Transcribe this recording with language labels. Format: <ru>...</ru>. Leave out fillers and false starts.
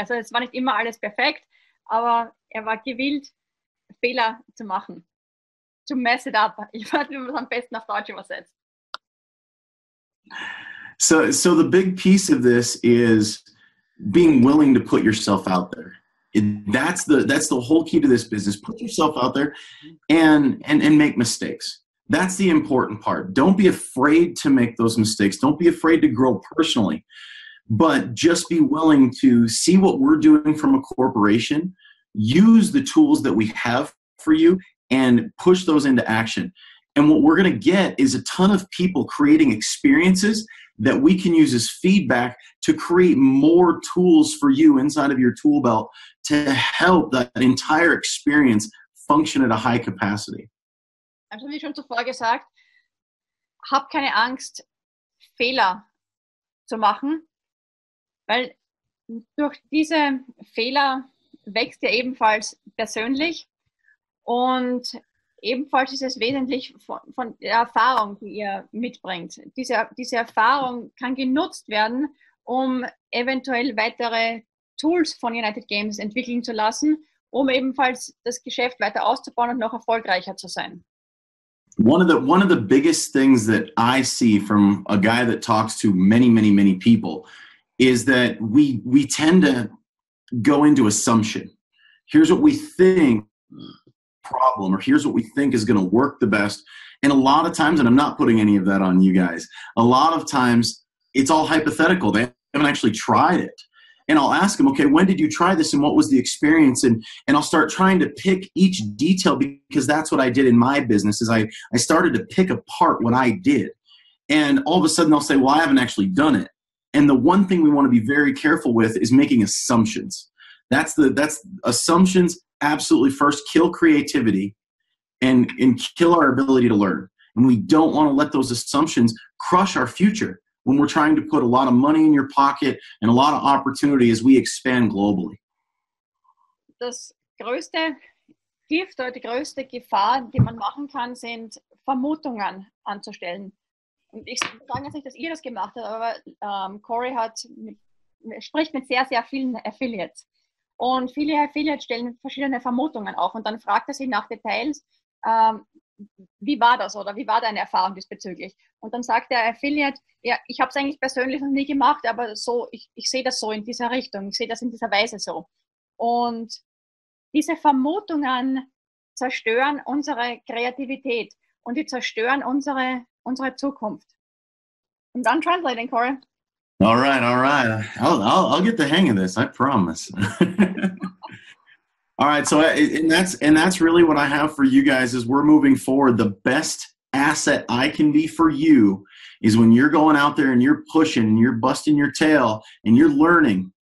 <de>Also es war nicht immer alles perfekt, aber er war gewillt, Fehler zu machen.</de> <en>To mess it up.</en> <de>Ich weiß nicht, wie man es am besten auf Deutsch übersetzt.</de> <en>So the big piece of this is being willing to put yourself out there. That's the whole key to this business. Put yourself out there and make mistakes. That's the important part. Don't be afraid to make those mistakes. Don't be afraid to grow personally. But just be willing to see what we're doing from a corporation, use the tools that we have for you, and push those into action. And what we're going to get is a ton of people creating experiences that we can use as feedback to create more tools for you inside of your tool belt to help that entire experience function at a high capacity.</en> <de>Also wie schon zuvor gesagt, hab keine Angst, Fehler zu machen, weil durch diese Fehler wächst ja ebenfalls persönlich und ebenfalls ist es wesentlich von der Erfahrung, die ihr mitbringt. Diese Erfahrung kann genutzt werden, um eventuell weitere Tools von United Games entwickeln zu lassen, um ebenfalls das Geschäft weiter auszubauen und noch erfolgreicher zu sein.</de> <en>One of the biggest things that I see from a guy that talks to many, many, many people is that we tend to go into assumption. Here's what we think problem, or here's what we think is going to work the best. And a lot of times, and I'm not putting any of that on you guys, a lot of times it's all hypothetical. They haven't actually tried it. And I'll ask them, okay, when did you try this and what was the experience? And I'll start trying to pick each detail, because that's what I did in my business, is I started to pick apart what I did. And all of a sudden they'll say, well, I haven't actually done it. And the one thing we want to be very careful with is making assumptions. That's assumptions absolutely first kill creativity and kill our ability to learn. And we don't want to let those assumptions crush our future when we're trying to put a lot of money in your pocket and a lot of opportunity as we expand globally.</en> <de>Das größte Gift oder die größte Gefahr, die man machen kann, sind Vermutungen anzustellen. Und ich sage jetzt nicht, dass ihr das gemacht habt, aber Corey spricht mit sehr, sehr vielen Affiliates. Und viele Affiliates stellen verschiedene Vermutungen auf und dann fragt er sie nach Details, wie war das oder wie war deine Erfahrung diesbezüglich? Und dann sagt der Affiliate, ja, ich habe es eigentlich persönlich noch nie gemacht, aber so, ich sehe das so in dieser Richtung, ich sehe das in dieser Weise so. Und diese Vermutungen zerstören unsere Kreativität und die zerstören unsere Zukunft. Und dann translating, Corey.</de> <en>All right. I'll get the hang of this. I promise. All right. So, and that's really what I have for you guys as we're moving forward. The best asset I can be for you is when you're going out there and you're pushing and you're busting your tail and you're learning.</en>